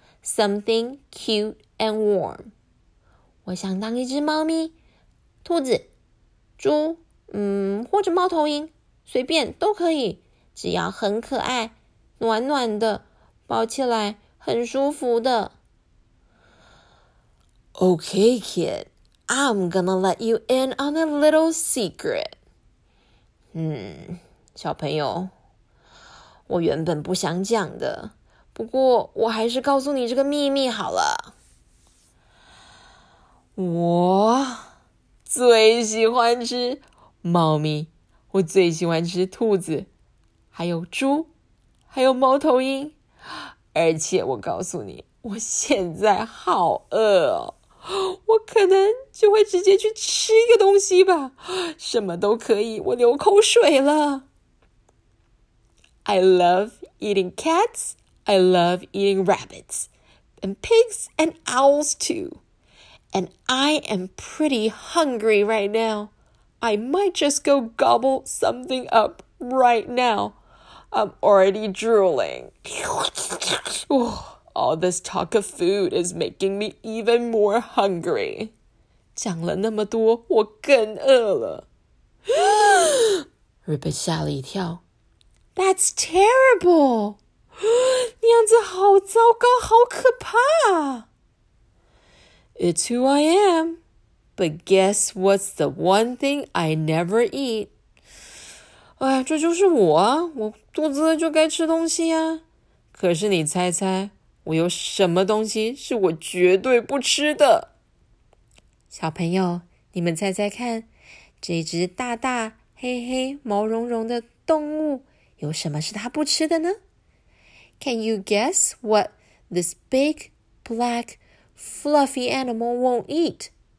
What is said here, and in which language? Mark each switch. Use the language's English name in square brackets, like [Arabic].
[English] Something cute and warm. [Chinese] 我想当一只猫咪、兔子、猪，或者猫头鹰，随便都可以，只要很可爱、暖暖的，抱起来很舒服的。 [English] Okay, kid. I'm gonna let you in on a little secret. [Chinese] 小朋友，我原本不想讲的，不过我还是告诉你这个秘密好了。我最喜欢吃猫咪，我最喜欢吃兔子，还有猪，还有猫头鹰。而且我告诉你，我现在好饿哦，我可能就会直接去吃一个东西吧，什么都可以，我流口水了。 [English] I love eating cats, I love eating rabbits, and pigs and owls too. And I am pretty hungry right now. I might just go gobble something up right now. I'm already drooling. All this talk of food is making me even more hungry. [Chinese] 讲了那么多，我更饿了。 Ribbit 吓了一跳。 [English] That's terrible. [Chinese] 那样子好糟糕，好可怕。 [English] It's who I am. But guess what's the one thing I never eat? [Chinese] 哎，这就是我啊，我肚子就该吃东西啊。可是你猜猜，我有什么东西是我绝对不吃的？小朋友，你们猜猜看，这只大大、黑黑、毛茸茸的动物，有什么是它不吃的呢？ [English] Can you guess what this big, black, fluffy animal won't eat?